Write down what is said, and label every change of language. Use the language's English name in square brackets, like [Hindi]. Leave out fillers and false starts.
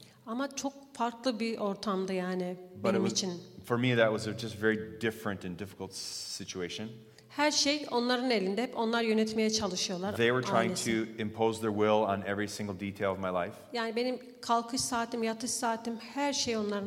[Turkish] Ama çok farklı bir ortamdı yani benim için. [English] For me, that was a just very different and difficult situation. [Turkish] Her şey onların elinde. Hep onlar yönetmeye çalışıyorlar. [English] They were trying to impose their will on every single detail of my life. [Turkish] Yani benim kalkış saatim, yatış saatim, her şey onların.